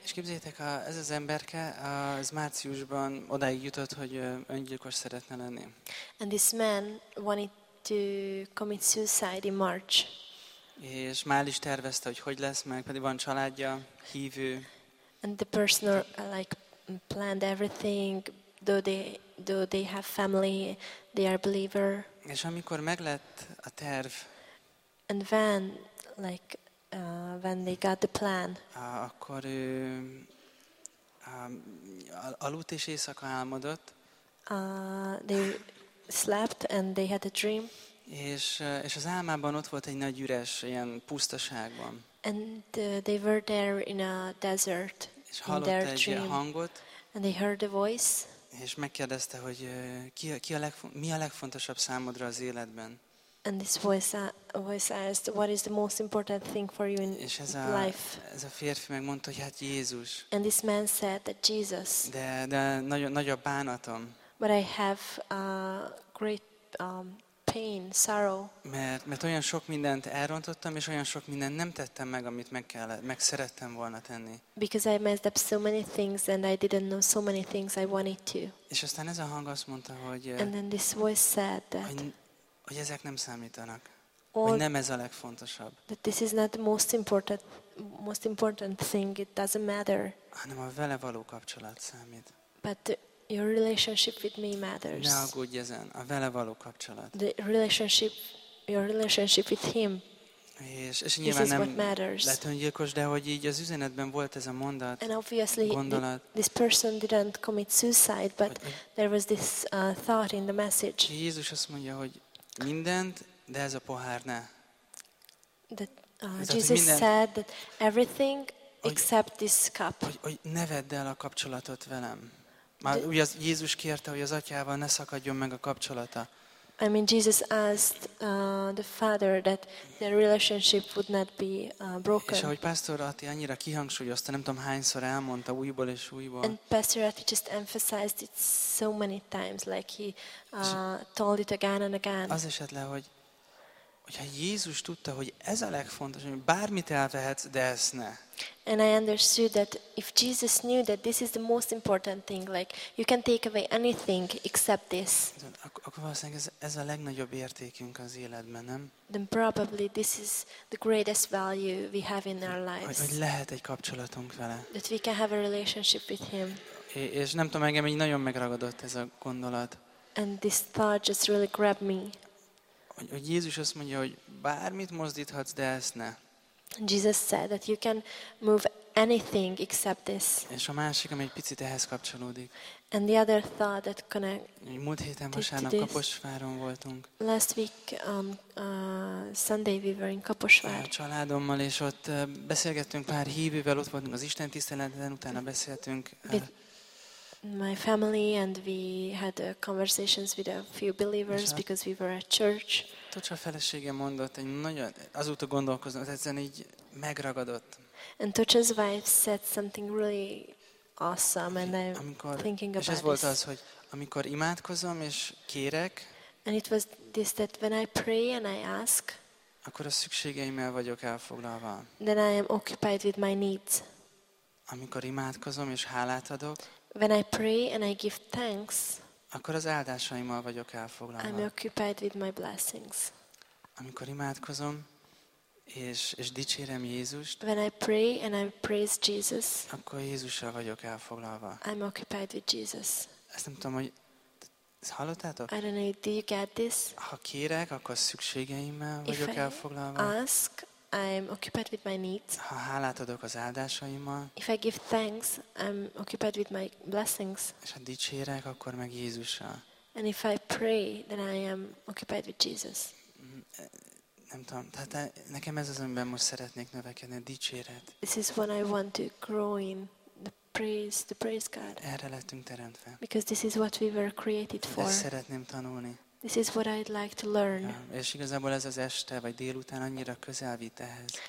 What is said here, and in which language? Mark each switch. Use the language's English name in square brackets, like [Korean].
[Hungarian] És képzeljétek, ez az emberke az márciusban odáig jutott, hogy öngyilkos szeretne lenni. [English] And this man wanted to commit suicide in March. [Hungarian] És már is tervezte, hogy hogy lesz, meg pedig van családja, hívő. [English] And the person like planned everything, though they have family, they are believer. [Hungarian] És amikor meglett a terv, [English] and when like when they got the plan, [Hungarian] akkor ő aludt és éjszaka álmodott. [English] They slept and they had a dream. [Hungarian] És az álmában ott volt egy nagy üres, ilyen pusztaságban. [English] And they were there in a desert. [Hungarian] És hallott egy hangot. [English] And they heard a voice. [Hungarian] És megkérdezte, hogy mi a legfontosabb számodra az életben. [English] And this voice asked, what is the most important thing for you in life? [Hungarian] És ez a férfi megmondta, hogy hát Jézus. [English] And this man said that Jesus. [Hungarian] De nagy a bánatom. [English] But I have a great pain, sorrow. [Hungarian] Mert olyan sok mindent elrontottam, és olyan sok mindent nem tettem meg, amit meg szerettem volna tenni. [English] Because I messed up so many things and I didn't know so many things I wanted to. [Hungarian] És aztán ez a hang azt mondta, hogy [English] and then this voice said that [Hungarian] hogy ezek nem számítanak. Hogy nem ez a legfontosabb. [English] That this is not the most important thing, it doesn't matter. [Hungarian] Hanem a vele való kapcsolat számít. [English] But your relationship with me matters. [Hungarian] Ne aggódj ezen, a vele való kapcsolat. [English] The relationship, your relationship with him. [Hungarian] És nyilván nem lett öngyilkos, de hogy így az üzenetben volt ez a mondat, [English] and obviously [Hungarian] gondolat. [English] This person didn't commit suicide, but there was this thought in the message. [Hungarian] Jézus azt mondja, hogy mindent, de ez a pohár ne. [English] Jesus said that everything except this cup. [Hungarian] Hogy ne vedd el a kapcsolatot velem. Már ugye Jézus kérte, hogy az atyával ne szakadjon meg a kapcsolata. [English] I mean Jesus asked the Father that their relationship would not be broken. [Hungarian] És ahogy Pastor Ati annyira kihangsúlyozta, nem tudom hányszor elmondta újból és újból. [English] And Pastor Ati just emphasized it so many times, like he told it again and again. [Hungarian] Az esett le, hogy ha Jézus tudta, hogy ez a legfontosabb, hogy bármit elvehetsz, de ezt ne. [English] And I understood that if Jesus knew that this is the most important thing, like you can take away anything except this. [Hungarian] Akkor valószínűleg ez a legnagyobb értékünk az életben, nem? [English] Then probably this is the greatest value we have in our lives. [Hungarian] Hogy lehet egy kapcsolatunk vele. [English] That we can have a relationship with him. [Hungarian] És nem tudom, engem így nagyon megragadott ez a gondolat. [English] And this thought just really grabbed me. [Hungarian] Hogy Jézus azt mondja, hogy bármit mozdíthatsz, de ezt ne. [English] Jesus said that you can move anything except this. [Hungarian] És a másik, ami egy picit ehhez kapcsolódik. [English] And the other thought that connected. [Hungarian] Múlt héten vasárnap Kaposváron voltunk. [English] Last week on Sunday we were in Kaposvár. [Hungarian] A családommal, és ott beszélgettünk pár hívővel, ott voltunk az istentiszteleten, utána beszéltünk. [English] My family and we had conversations with a few believers because we were at church. [Hungarian] Tocsa felesége mondott, hogy nagyon azóta gondolkozom, ezen így megragadott. [English] And Tocsa's wife said something really awesome and I'm thinking about [Hungarian] it. És ez volt az, hogy amikor imádkozom és kérek, [English] and it was this that when I pray and I ask, [Hungarian] akkor a szükségeimmel vagyok elfoglalva. [English] Then I am occupied with my needs. [Hungarian] Amikor imádkozom és hálát adok, [English] when I pray and I give thanks, [Hungarian] akkor az áldásaimmal vagyok elfoglalva. [English] I'm occupied with my blessings. [Hungarian] Amikor imádkozom és dicsérem Jézust, [English] when I pray and I praise Jesus, [Hungarian] akkor Jézussal vagyok elfoglalva. [English] I'm occupied with Jesus. [Hungarian] Ezt nem tudom, hogy hallottátok? [English] I don't know, do you get this? [Hungarian] Ha kérek, akkor szükségeimmel vagyok elfoglalva. [English] If I ask, I'm occupied with my needs. [Hungarian] Ha hálát adok az áldásaimmal. [English] If I give thanks, I'm occupied with my blessings. [Hungarian] És ha dicsérek, akkor meg Jézussal. [English] And if I pray, then I am occupied with Jesus. [Hungarian] Nem tudom, tehát nekem ez az, amiben most szeretnék növekedni, a dicséret. [English] This is what I want to grow in, the praise, to praise God. [Hungarian] Erre lettünk teremtve. [English] Because this is what we were created for. [Hungarian] Ezt szeretném tanulni. [English] This is what I'd like to learn. [Hungarian] Ja, és igazából ez az este vagy délután annyira közel vitt ehhez.